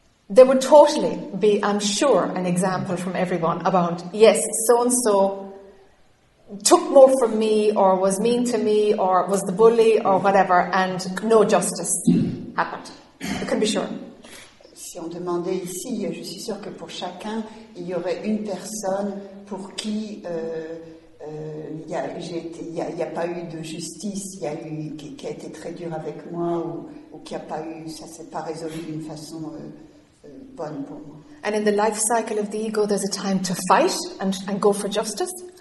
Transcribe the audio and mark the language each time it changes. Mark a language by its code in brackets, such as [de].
[en] there would totally be, I'm sure, an example from everyone about, yes, so-and-so took more from me or was mean to me or was the bully or whatever, and no justice happened. You can be sure. [fr] Si on demandait ici, je suis sûre que pour chacun, il y aurait une personne pour qui il n'y a pas eu de justice, il y a eu qui a été très dur avec moi ou qui a pas eu, ça s'est pas résolu d'une façon bonne pour moi. [en] And in the life cycle of the ego, there's a time to fight and go for justice.